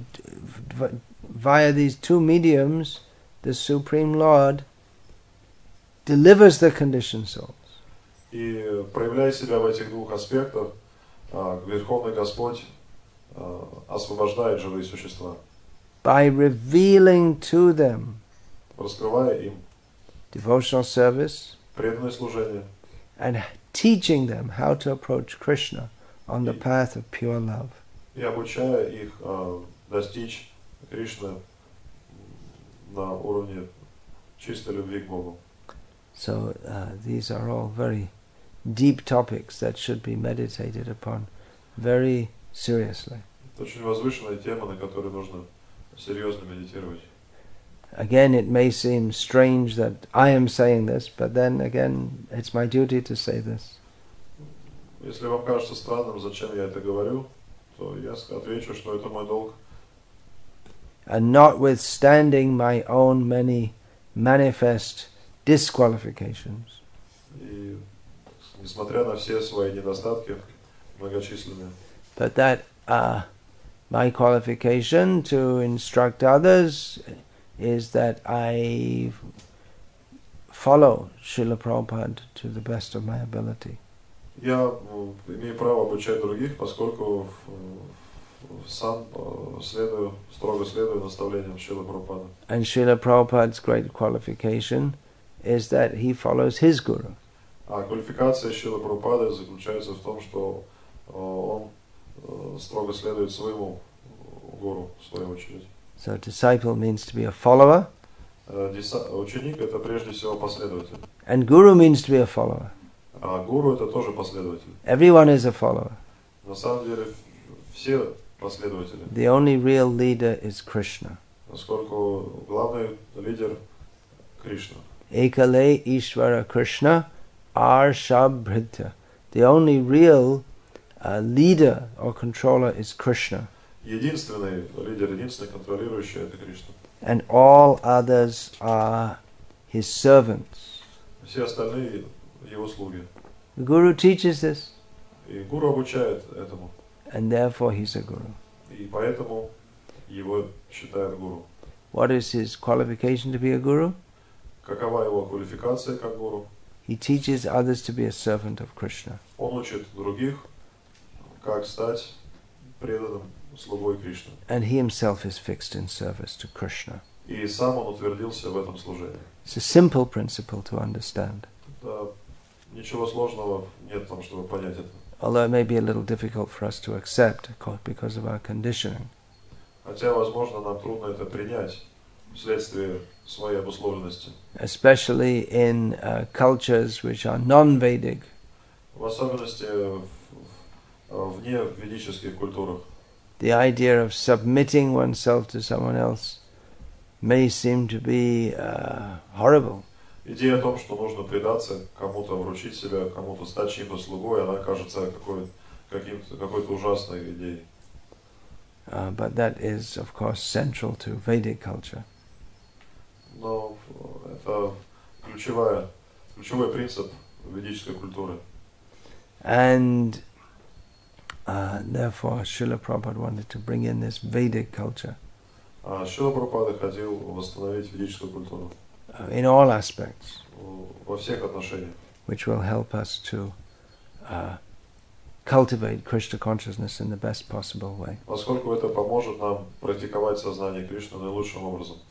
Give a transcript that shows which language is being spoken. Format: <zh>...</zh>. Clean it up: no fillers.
<en>Via these two mediums, the Supreme Lord delivers the conditioned souls.</en> <ru>И проявляя себя в этих двух аспектах, Верховный Господь освобождает живые существа.</ru> <en>By revealing to them,</en> <ru>раскрывая им</ru> <en>devotional service,</en> <ru>преданное служение,</ru> <en>and teaching them how to approach Krishna on the path of pure love.</en> <ru>И обучая их достичь Кришны на уровне чистой любви к Богу.</ru> <en>So these are all very deep topics that should be meditated upon very seriously.</en> <ru>Это очень возвышенная тема, на которую нужно серьезно медитировать.</ru> <en>Again, it may seem strange that I am saying this, but then again, it's my duty to say this.</en> <ru>Если вам кажется странным, зачем я это говорю, то я отвечу, что это мой долг.</ru> <en>And notwithstanding my own many manifest disqualifications.</en> <ru>И несмотря на все свои недостатки многочисленные.</ru> <en>But that my qualification to instruct others is that I follow Srila Prabhupada to the best of my ability.</en> <ru>Я имею право обучать других, поскольку сам строго следую наставлениям Шрилы Прабхупады.</ru> <en>And Srila Prabhupada's great qualification is that he follows his guru.</en> <ru>А квалификация Шрилы Прабхупады заключается в том, что он строго следует своему гуру, в свою очередь.</ru> <en>So disciple means to be a follower.</en> <ru>Ученик это прежде всего последователь.</ru> <en>And guru means to be a follower.</en> <ru>А гуру это тоже последователь.</ru> <en>Everyone is a follower.</en> <ru>На самом деле все последователи.</ru> <en>The only real leader is Krishna.</en> <ru>Поскольку главный лидер Кришна.</ru> <bn>Ekale Ishvara Krishna Arshabhritya.</bn> <en>The only real leader or controller is Krishna.</en> <ru>Единственный лидер, единственный контролирующий — это Кришна.</ru> <en>And all others are his servants.</en> <ru>Все остальные его слуги.</ru> <en>The guru teaches this.</en> <ru>И гуру обучает этому.</ru> <en>And therefore he's a guru.</en> <ru>И поэтому его считают гуру.</ru> <en>What is his qualification to be a guru?</en> <ru>Какова его квалификация как гуру?</ru> <en>He teaches others to be a servant of Krishna.</en> <ru>Он учит других, как стать преданным.</ru> <en>And he himself is fixed in service to Krishna.</en> <ru>И сам он утвердился в этом служении.</ru> <en>It's a simple principle to understand.</en> <ru>Да, ничего сложного нет там, чтобы понять это.</ru> <en>Although it may be a little difficult for us to accept because of our conditioning.</en> <ru>Хотя, возможно, нам трудно это принять вследствие своей обусловленности.</ru> <en>Especially in cultures which are non-Vedic.</en> <ru>В особенности вне ведических культурах.</ru> <en>The idea of submitting oneself to someone else may seem to be horrible.</en> <ru>Идея о том, что нужно предаться кому-то, вручить себя кому-то, стать чьим-то слугой, она кажется какой-то ужасной идеей.</ru> <en>But that is, of course, central to Vedic culture.</en> <ru>Но это ключевой принцип ведической культуры.</ru> <en>And therefore, Srila Prabhupada wanted to bring in this Vedic culture.</en> <ru>Srila Prabhupada хотел восстановить ведическую культуру.</ru> <en>In all aspects.</en> <ru>Во всех отношениях.</ru> <en>Which will help us to cultivate Krishna consciousness in the best possible way.</en> <ru>Поскольку это поможет нам практиковать сознание Кришны наилучшим образом.</ru>